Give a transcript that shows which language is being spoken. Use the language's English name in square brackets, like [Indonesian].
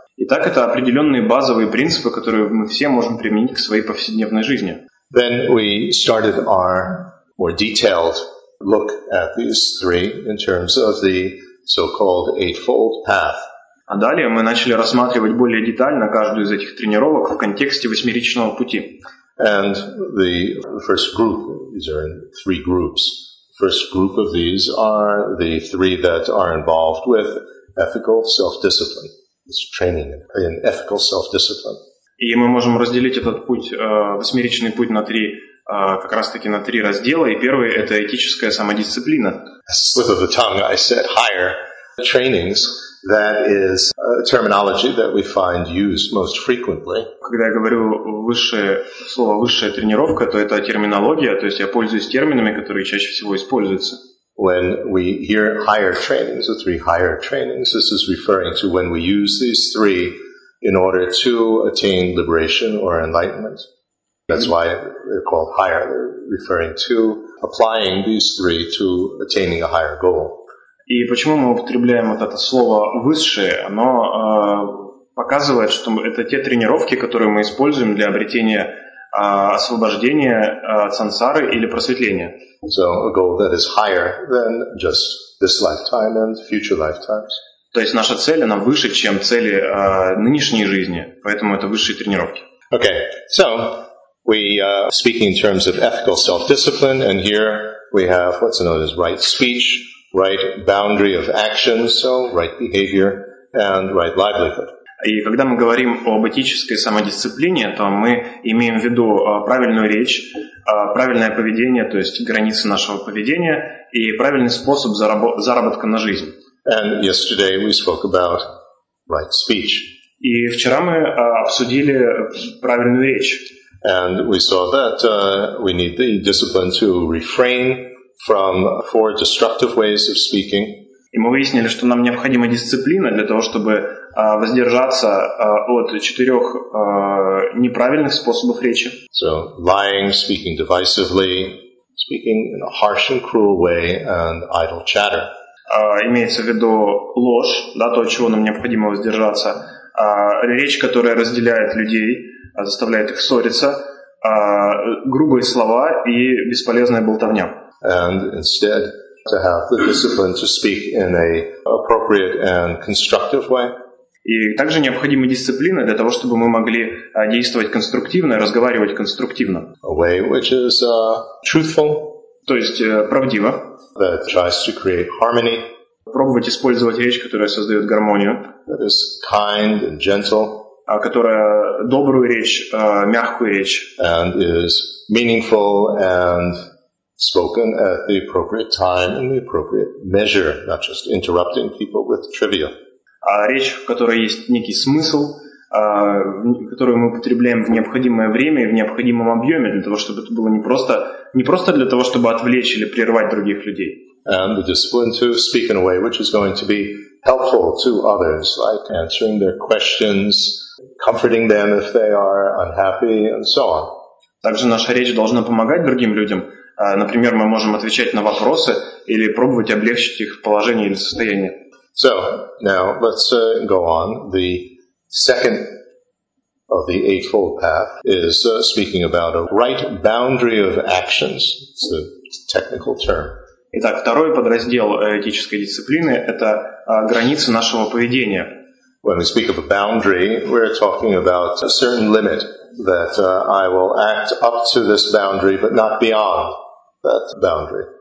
[Russian] Итак, это определенные базовые принципы, которые мы все можем применить к своей повседневной жизни. [English] Then we started our more detailed look at these three in terms of the so-called eightfold path. [Russian] А далее мы начали рассматривать более детально каждую из этих тренировок в контексте восьмеричного пути. [English] And the first group, these are in three groups. First group of these are the three that are involved with ethical self-discipline. It's training in ethical self-discipline. [Russian] И мы можем разделить этот путь, восьмеричный путь на три, как раз таки на три раздела. И первый – это этическая самодисциплина. [English] Slip of the tongue, I said higher. Trainings, that is a terminology that we find used most frequently. [Russian] Когда я говорю высшее слово «высшая тренировка», то это терминология, то есть я пользуюсь терминами, которые чаще всего используются. [English] When we hear higher trainings, the three higher trainings, this is referring to when we use these three in order to attain liberation or enlightenment. That's why they're called higher. They're referring to applying these three to attaining a higher goal. [Russian] И почему мы употребляем вот это слово «высшее»? Оно показывает, что это те тренировки, которые мы используем для обретения освобождения от сансары или просветления. [English] So a goal that is higher than just this lifetime and future lifetimes. [Russian] То есть наша цель, она выше, чем цели нынешней жизни, поэтому это высшие тренировки. [English] Okay, so we speaking in terms of ethical self-discipline, and here we have what's known as right speech, right boundary of action, so right behavior and right livelihood. [Russian] И когда мы говорим об этической самодисциплине, то мы имеем в виду правильную речь, правильное поведение, то есть границы нашего поведения и правильный способ заработка на жизнь. [English] And yesterday we spoke about right speech. [Russian] И вчера мы обсудили правильную речь. [English] And we saw that we need the discipline to refrain from four destructive ways of speaking. [Russian] И мы выяснили, что нам необходима дисциплина для того, чтобы воздержаться от четырех неправильных способов речи. [English] So, lying, speaking divisively, speaking in a harsh and cruel way, and idle chatter. [Russian] имеется в виду ложь, да, то, от чего нам необходимо воздержаться, речь, которая разделяет людей, заставляет их ссориться, грубые слова и бесполезная болтовня. [English] And instead to have the discipline to speak in a appropriate and constructive way. [Russian] И также необходима дисциплина для того, чтобы мы могли действовать конструктивно, разговаривать конструктивно. [English] A way which is truthful. [Russian] То есть правдиво. [English] That tries to create harmony. [Russian] Пробовать использовать речь, которая создает гармонию. [English] That is kind and gentle. [Russian] Которая добрую речь, мягкую речь. [English] And is meaningful and spoken at the appropriate time and the appropriate measure, not just interrupting people with trivia. [Russian] А речь, в которой есть некий смысл, которую мы употребляем в необходимое время и в необходимом объеме, для того, чтобы это было не просто для того, чтобы отвлечь или прервать других людей. [English] And the discipline to speak in a way which is going to be helpful to others, like answering their questions, comforting them if they are unhappy, and so on. [Russian] Также наша речь должна помогать другим людям. Например, мы можем отвечать на вопросы или пробовать облегчить их положение или состояние. [English] So, now let's go on. The second of the Eightfold Path is speaking about a right boundary of actions. It's a technical term. [Russian] Итак, второй подраздел этической дисциплины – это границы нашего поведения. [English] When we speak of a boundary, we're talking about a certain limit that I will act up to this boundary, but not beyond that boundary.